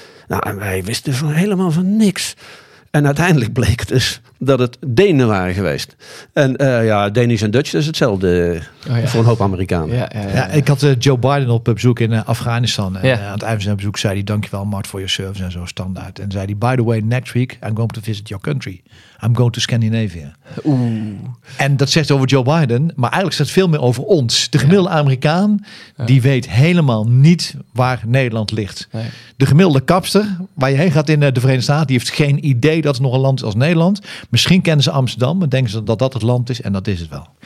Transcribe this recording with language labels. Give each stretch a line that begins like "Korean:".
Dutch: Nou, en wij wisten van helemaal van niks. En uiteindelijk bleek het dus dat het Denen waren geweest. En Denis en Dutch is hetzelfde voor een hoop Amerikanen. Ja, ik had Joe Biden op bezoek in Afghanistan. En aan het einde van zijn bezoek zei hij, dankjewel Mart voor je service en zo standaard. En zei hij,
English: by the way, next week I'm going to visit your country. I'm going to Scandinavia. Oeh.
Dutch: En dat zegt over Joe Biden, maar eigenlijk staat veel meer over ons. De gemiddelde Amerikaan, die weet helemaal niet waar Nederland ligt. Nee. De gemiddelde kapster, waar je heen gaat in de Verenigde Staten, die heeft geen idee dat het nog een land is als Nederland. Misschien kennen ze Amsterdam en denken ze dat dat het land is. En dat is het wel.